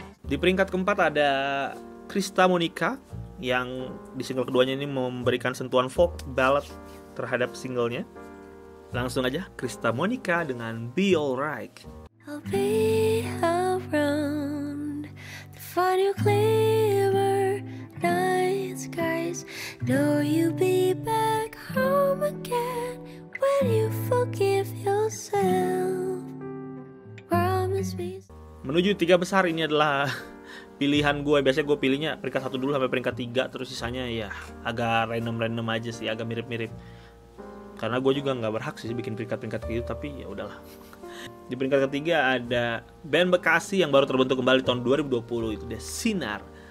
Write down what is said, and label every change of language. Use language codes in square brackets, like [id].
[id] Di peringkat ke-4 ada Krista Monica yang di single keduanya ini memberikan sentuhan folk ballad terhadap singlenya. Langsung aja Krista Monica dengan Be Alright. [en] I'll be around to find you clearer night skies. Know you'll be back home again when you forgive yourself. Promise me. [id] Menuju 3 besar ini adalah pilihan gue. Biasanya gue pilihnya peringkat 1 dulu sampai peringkat 3, terus sisanya ya agak random-random aja sih, agak mirip-mirip. Karena gue juga gak berhak sih bikin peringkat-peringkat gitu, tapi ya udahlah. Di peringkat ketiga ada band Bekasi yang baru terbentuk kembali tahun 2020, itu dia Sinar.